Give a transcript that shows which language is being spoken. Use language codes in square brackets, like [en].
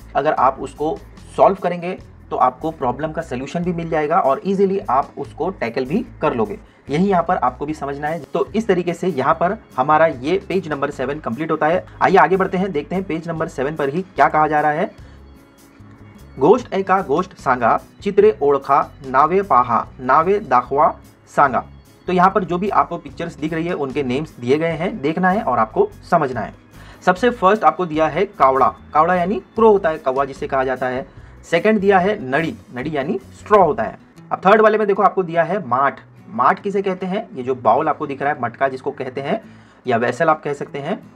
[hi] अगर आप उसको सॉल्व करेंगे तो आपको प्रॉब्लम का सलूशन भी मिल जाएगा और इजीली आप उसको टैकल भी कर लोगे। यही यहाँ पर आपको भी समझना है। तो इस तरीके से यहाँ पर हमारा ये पेज नंबर 7 कंप्लीट होता है। आइए आगे बढ़ते हैं, देखते हैं पेज नंबर 7 पर ही क्या कहा जा रहा है। [mr] गोष्ट एका गोष्ट सांगा, चित्रे ओळखा नावे पाहा नावे दाखवा सांगा। [hi] तो यहाँ पर जो भी आपको पिक्चर्स दिख रही है उनके नेम्स दिए गए हैं, देखना है और आपको समझना है। सबसे फर्स्ट आपको दिया है कावड़ा, कावड़ा यानी क्रो होता है, कौवा जिसे कहा जाता है। सेकंड दिया है नड़ी, नड़ी यानी स्ट्रॉ होता है। अब थर्ड वाले में देखो आपको दिया है माठ, माठ किसे कहते हैं, ये जो बाउल आपको दिख रहा है, मटका जिसको कहते हैं, या वेसल आप कह सकते हैं।